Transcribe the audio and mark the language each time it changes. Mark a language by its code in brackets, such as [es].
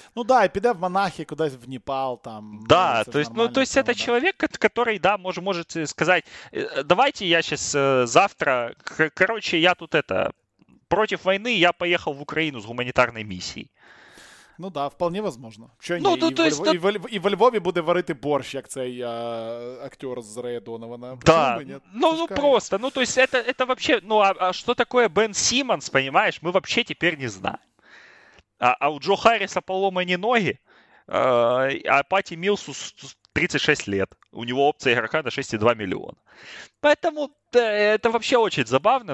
[ru] Ну да, и пойдет в Монахи, куда-то в Непал там. Да, то есть, ну, то есть это человек, который, да, может сказать, давайте я сейчас завтра, короче, я тут это, против войны, я поехал в Украину с гуманитарной миссией. Ну да, вполне возможно. [uk] И во Львові буде варити борщ, як цей актер з Рея Донована. [ru] Да. Просто. Ну, то есть это вообще... Ну, а что такое Бен Симмонс, понимаешь? Мы вообще теперь не знаем. А у Джо Харриса поломаны ноги, а Пати Милсу 36 лет. У него опция игрока на 6,2 миллиона. Поэтому это вообще очень забавно.